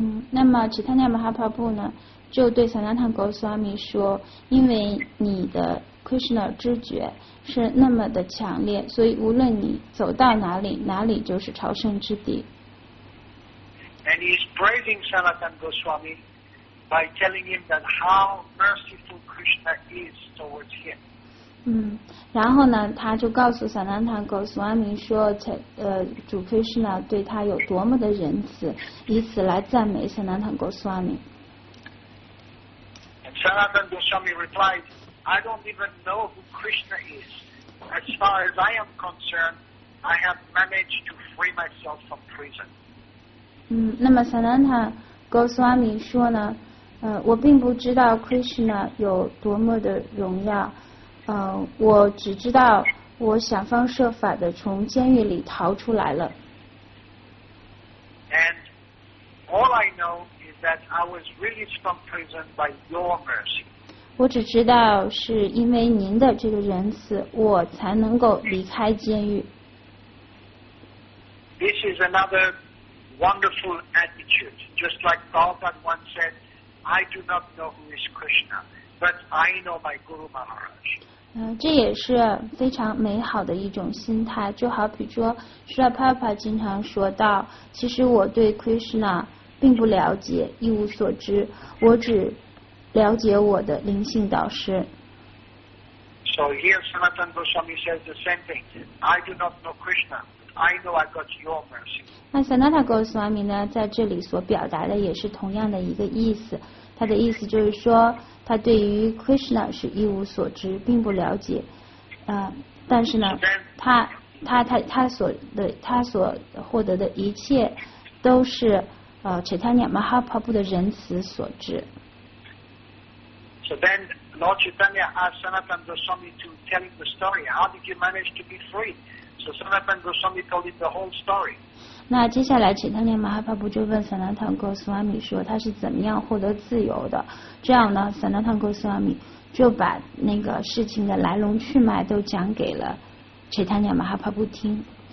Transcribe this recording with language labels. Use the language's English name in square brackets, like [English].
[Chinese] 那么齐坦尼亚马哈帕布呢就对萨拉坦格斯瓦米说，因为你的 Krishna 知觉是那么的强烈，所以无论你走到哪里，哪里就是朝圣之地。 [English] And he is praising Sanatan Goswami by telling him that how merciful Krishna is towards him. [Chinese] 然后呢他就告诉萨拉坦格斯瓦米说主 Krishna 对他有多么的仁慈，以此来赞美萨拉坦格斯瓦米。 [English] And Sanatan Goswami replied, I don't even know who Krishna is. As far as I am concerned, I have managed to free myself from prison. [Chinese] 那么萨拉坦格斯瓦米说呢我并不知道 Krishna 有多么的荣耀，我只知道我想方设法的从监狱里逃出来了。 [English] And all I know is that I was released from prison by your mercy. [Chinese] 我只知道是因为您的这个仁慈，我才能够离开监狱。 [English] This is another wonderful attitude. Just like Prabhupada once said, I do not know who is Krishna, but I know my Guru Maharaj. [Chinese] 这也是非常美好的一种心态，就好比说 Srila Prabhupada 经常说到，其实我对 Krishna 并不了解，一无所知，我只了解我的灵性导师。 [English] So here Sanatana Goswami says the same thing, I do not know Krishna, but I know I got your mercy. [Chinese] 那 Sanatana Goswami 呢在这里所表达的也是同样的一个意思，他的意思就是说他对于 Krishna 是一无所知，并不了解，但是呢，他所获得的一切都是Chaitanya Mahaprabhu 的仁慈所致。 [English] So then Lord Chaitanya asked Sanatana Goswami to tell him the story. How did you manage to be free? So Sanatana Goswami told him the whole story. [Chinese] 那接下来请他念马哈帕布就问 Sanatana Goswami 说他是怎么样获得自由的。这样呢 Sanatana Goswami 就把那个事情的来龙去脉都讲给了 Chaitanya Mahaprabhu 听。